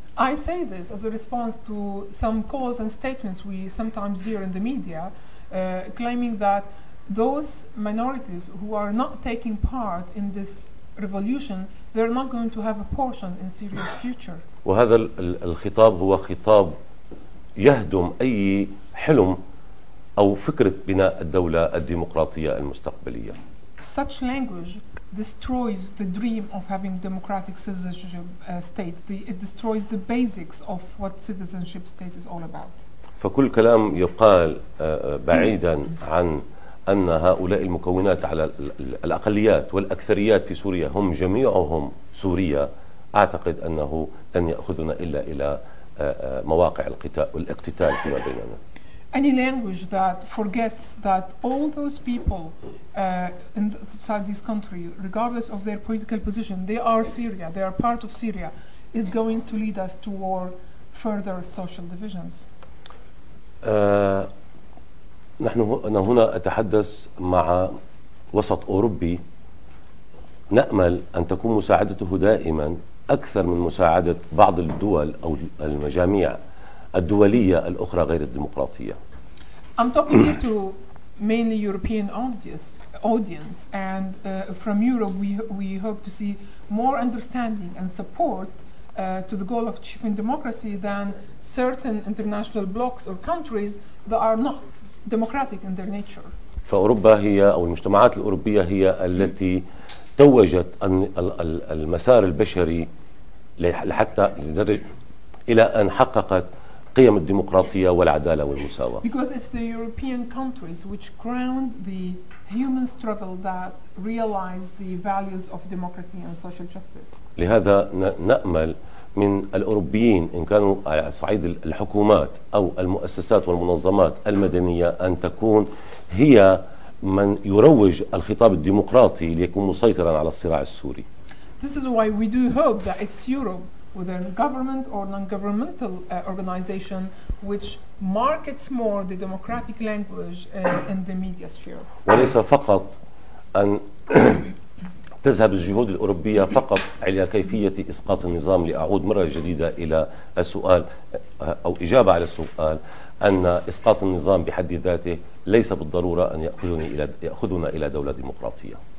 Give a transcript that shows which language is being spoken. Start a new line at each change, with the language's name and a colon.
English: I say this as a response to some calls and statements we sometimes hear in the media claiming that those minorities who are not taking part in this revolution, they're not going to have a portion in Syria's future.
Arabic: وهذا الخطاب هو خطاب يهدم أي حلم أو فكرة بناء الدولة الديمقراطية المستقبلية.
English: Such language destroys the dream of having democratic citizenship state. It destroys the basics of what citizenship state is all about.
Arabic: فكل كلام يقال بعيدا عن أن هؤلاء المكونات على الأقليات والأكثريات في سوريا هم جميعهم سورية أعتقد أنه لن يأخذنا إلا إلى مواقع القتال والاقتتال فيما بيننا.
English: Any language that forgets that all those people inside this country, regardless of their political position, they are Syria, they are part of Syria, is going to lead us toward further social divisions.
Arabic: نحن هنا أتحدث مع وسط أوروبي نأمل أن تكون مساعدته دائما أكثر من مساعدة بعض الدول أو المجامع الدولية الأخرى غير الديمقراطية.
English: I'm talking here to mainly European audience, and from Europe, we hope to see more understanding and support to the goal of achieving democracy than certain international blocs or countries that are not democratic in their nature.
Arabic: فأوروبا هي أو المجتمعات الأوروبية هي التي توجت المسار البشري لحتى لدرجة إلى أن حققت قيم الديمقراطية والعدالة والمساواة.
English: Because it's the European countries which crowned the human struggle that realized the values of democracy and social justice.
Arabic: لهذا نأمل من الأوروبيين إن كانوا على صعيد الحكومات أو المؤسسات والمنظمات المدنية أن تكون هي من يروج الخطاب الديمقراطي ليكون مسيطرا على الصراع السوري.
English: This is why we do hope that it's Europe, whether government or non-governmental organization, which markets more the democratic language in the media sphere.
Arabic: وليس فقط أن تذهب الجهود الأوروبية فقط على كيفية إسقاط النظام لأعود مرة جديدة إلى السؤال أو إجابة على السؤال أن إسقاط النظام بحد ذاته ليس بالضرورة أن يأخذنا إلى دولة ديمقراطية.